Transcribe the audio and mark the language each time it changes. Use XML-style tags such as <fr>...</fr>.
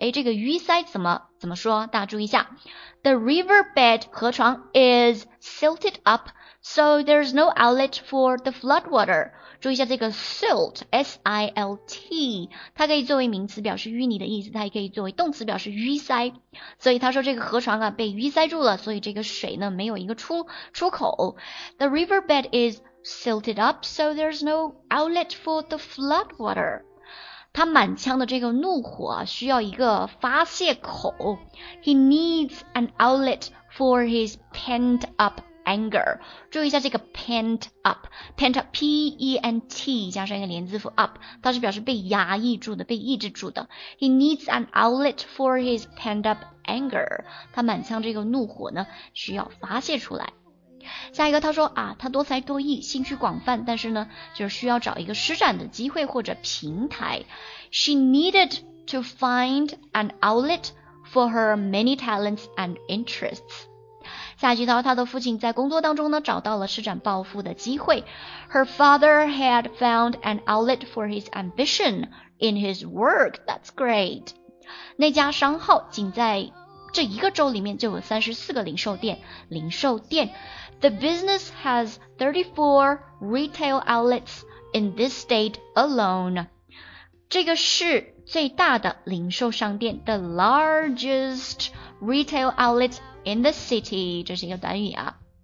<zh>诶，这个淤塞怎么说？大家注意一下，</zh> <en>The riverbed 河床 is silted up so there's no outlet for the flood water。</en> <zh>注意一下这个 silt, S-I-L-T, 它可以作为名词表示淤泥的意思，它也可以作为动词表示淤塞。所以他说这个河床啊被淤塞住了，所以这个水呢没有一个出口。</zh> <en>The riverbed is silted up, so there's no outlet for the flood water.</en> <zh>他满腔的这个怒火需要一个发泄口。</zh> <en>He needs an outlet for his pent up anger。</en> <zh>注意一下这个 pent up P-E-N-T 加上一个连字符 up， 它是表示被压抑住的，被抑制住的。</zh> <en>He needs an outlet for his pent up anger，</en> <zh>他满腔这个怒火呢需要发泄出来。下一个他说啊，他多才多艺，兴趣广泛，但是呢就是需要找一个施展的机会或者平台。</zh> <en>She needed to find an outlet for her many talents and interests。</en> <zh>下一句呢，他的父亲在工作当中呢找到了施展抱负的机会。</zh> <en>Her father had found an outlet for his ambition in his work. That's great.</en> <zh>那家商号仅在这一个州里面就有34个零售店。零售店。</zh> <en>The business has 34 retail outlets in this state alone.</en> <zh>这个是最大的零售商店 ,</zh> <en>the largest retail outlet in the city,</en> <zh>这是一个短语啊。</zh>